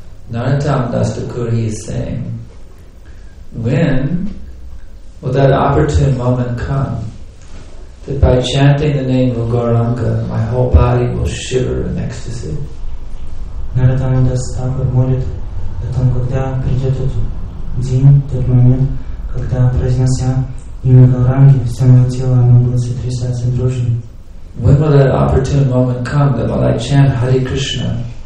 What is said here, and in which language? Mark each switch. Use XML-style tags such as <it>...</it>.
<en>Narottam Das Thakur is saying, when will that opportune moment come that by chanting the name of Gauranga, my whole body will shiver in ecstasy?</en> <ru>Narottam Das Thakur молит о том, когда придет тот день, тот момент, когда произнося имя Гауранги, все мое тело оно будет сотрясаться дрожью.</ru> <en>When will that opportune moment come that while I chant Hare Krishna,</en>